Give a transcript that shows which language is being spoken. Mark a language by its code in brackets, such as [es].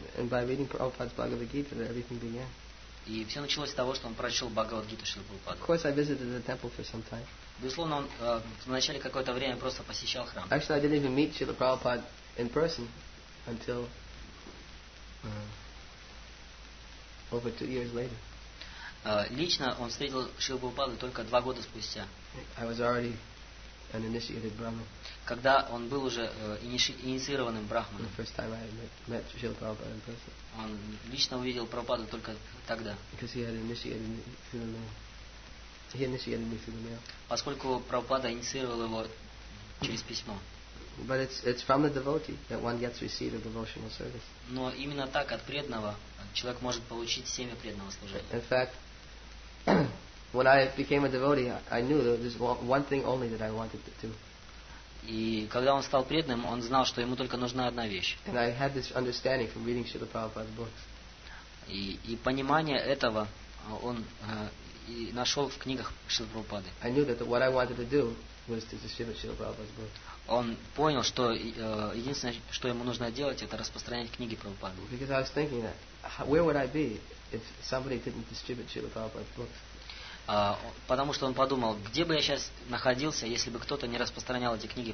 [en] And by reading Prabhupada's Bhagavad Gita, everything began. [ru] И все началось с того, что он прочел Бхагавад-гиту Шрилы Прабхупады. [en] Of course, I visited the temple for some time. [ru] Безусловно, он вначале какое-то время просто посещал храм. [en] Actually, I didn't even meet Shrila Prabhupada in person until over 2 years later. [ru] Лично он встретил Шрилу Прабхупаду только 2 года спустя. [en] I was already an initiated Brahmin. [ru] Когда он был уже инициированным брахманом. [en] The first time I met Shrila Prabhupada in person. [ru] Он лично увидел Прабхупаду только тогда. [en] Because he had initiated me through the mail. He initiated me through the mail. [ru] Поскольку Прабхупада инициировал его через письмо. [en] But it's from the devotee that one gets received of devotional service. [ru] Но именно так от преданного человек может получить семя преданного служения. [en] In fact, when I became a devotee, I knew that there's one thing only that I wanted to do. [ru] И когда он стал преданным, он знал, что ему только нужна одна вещь. [en] And I had this understanding from reading Srila Prabhupada's books. [ru] И понимание этого он и нашел в книгах Шрилы Прабхупады. [en] I knew that what I wanted to do was to distribute Srila Prabhupada's books. [ru] Он понял, что единственное, что ему нужно делать, это распространять книги Прабхупады. [en] Because I was thinking that where would I be if somebody didn't distribute Srila Prabhupada's books? [ru] Потому что он подумал, где бы я сейчас находился, если бы кто-то не распространял эти книги